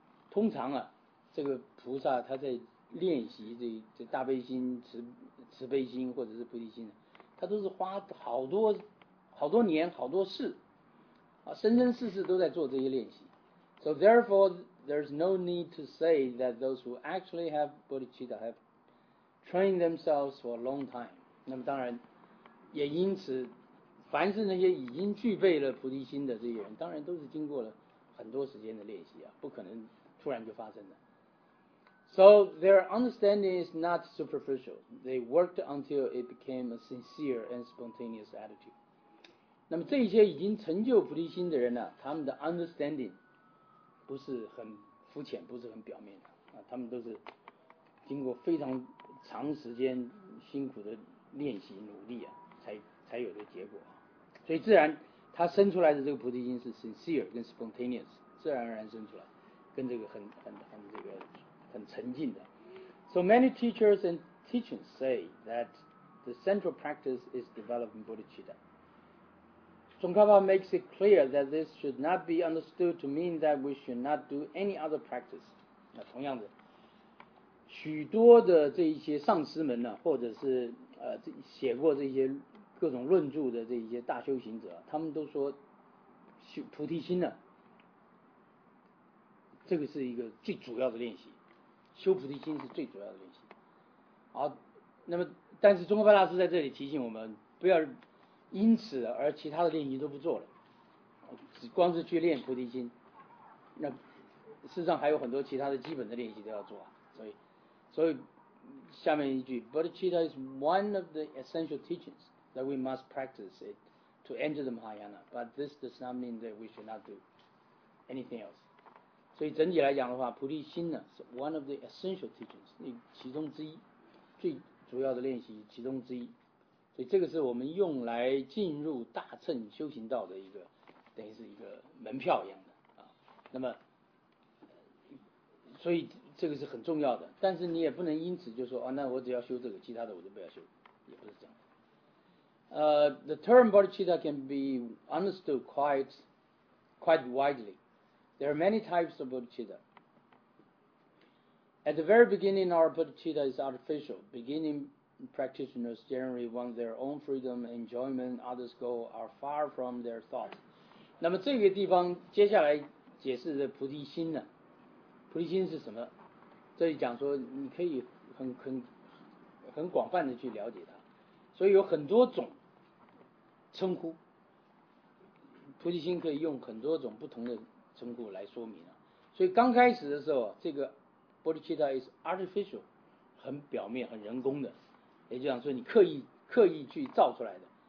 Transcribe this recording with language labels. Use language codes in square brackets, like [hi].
[zh] 通常啊，这个菩萨他在练习这大悲心、慈悲心或者是菩提心，他都是花好多好多年、好多世啊，生生世世都在做这些练习。 [en] So therefore, there's no need to say that those who actually have bodhicitta have trained themselves for a long time. [zh] 那么当然。也因此，凡是那些已经具备了菩提心的这些人，当然都是经过了很多时间的练习啊，不可能突然就发生的。 [en] So their understanding is not superficial. They worked until it became a sincere and spontaneous attitude. [zh] 那么这些已经成就菩提心的人呢、啊，他们的 understanding 不是很肤浅，不是很表面的啊，他们都是经过非常长时间辛苦的练习努力啊。才有的结果，所以自然他生出来的这个菩提心是 sincere 跟 spontaneous， 自然而然生出来，跟这个很这个很沉浸的。 [en] So many teachers and teachings say that the central practice is developing bodhicitta. Tsongkhapa makes it clear that this should not be understood to mean that we should not do any other practice. [zh] 那同样的，许多的这一些上师们呢，或者是写过这些各种论著的这些大修行者，他们都说菩提心呢，这个是一个最主要的练习，修菩提心是最主要的练习。好，那么但是中国白大师在这里提醒我们，不要因此而其他的练习都不做了，只光是去练菩提心，那事实上还有很多其他的基本的练习都要做啊。所以下面一句， [en] Bodhicitta is one of the essential teachings that we must practice it to enter the Mahayana, but this does not mean that we should not do anything else. [zh] 所以整体来讲的话，菩提心呢是 [en] one of the essential teachings， [zh] 其中之一，最主要的练习其中之一，所以这个是我们用来进入大乘修行道的一个，等于是一个门票一样的、啊、那么所以这个是很重要的，但是你也不能因此就说、哦、那我只要修这个其他的我就不要修，也不是这样的。 [en] The term bodhicitta can be understood quite widely. There are many types of bodhicitta. At the very beginning, our bodhicitta is artificial. Beginning practitioners generally want their own freedom and enjoyment. Others go are far from their thoughts. [zh] 那么这个地方接下来解释的菩提心呢？菩提心是什么？这里讲说你可以很广泛的去了解它，所以有很多种称呼，菩提心可以用很多种不同的称呼来说明、啊、所以刚开始的时候这个 [en] bodhicitta is artificial， [zh] 很表面很人工的，也就讲说你刻意去造出来的。